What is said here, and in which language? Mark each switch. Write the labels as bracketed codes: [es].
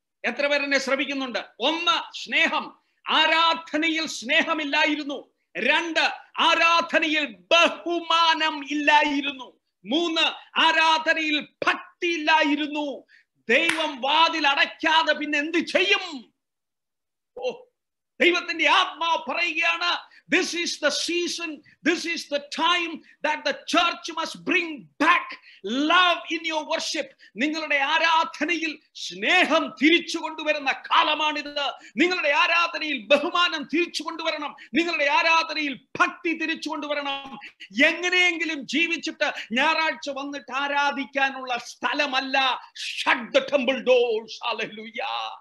[ml] എത്ര പേരെന്നെ ശ്രമിക്കുന്നുണ്ട്? ഒന്ന് സ്നേഹം, ആരാധനയിൽ സ്നേഹമില്ലായിരുന്നു. രണ്ട്, ആരാധനയിൽ ബഹുമാനം ഇല്ലായിരുന്നു. മൂന്ന്, ആരാധനയിൽ ഭക്തി ഇല്ലായിരുന്നു. ദൈവം വാതിൽ അടയ്ക്കാതെ പിന്നെ എന്ത് ചെയ്യും? ഓ, ദൈവത്തിന്റെ ആത്മാവ് പറയുകയാണ്, [en] This is the season, this is the time that the church must bring back love in your worship. [ml] നിങ്ങളുടെ ആരാധനയിൽ സ്നേഹം തിരിച്ചു കൊണ്ടുവരുന്ന കാലമാണിത്. നിങ്ങളുടെ ആരാധനയിൽ ബഹുമാനം തിരിച്ചു കൊണ്ടുവരണം. നിങ്ങളുടെ ആരാധനയിൽ ഭക്തി തിരിച്ചു കൊണ്ടുവരണം. എങ്ങനെയെങ്കിലും ജീവിച്ചിട്ട് ഞായറാഴ്ച വന്നിട്ട് ആരാധിക്കാനുള്ള സ്ഥലമല്ല [en] Shut the temple doors. [ml] Hallelujah.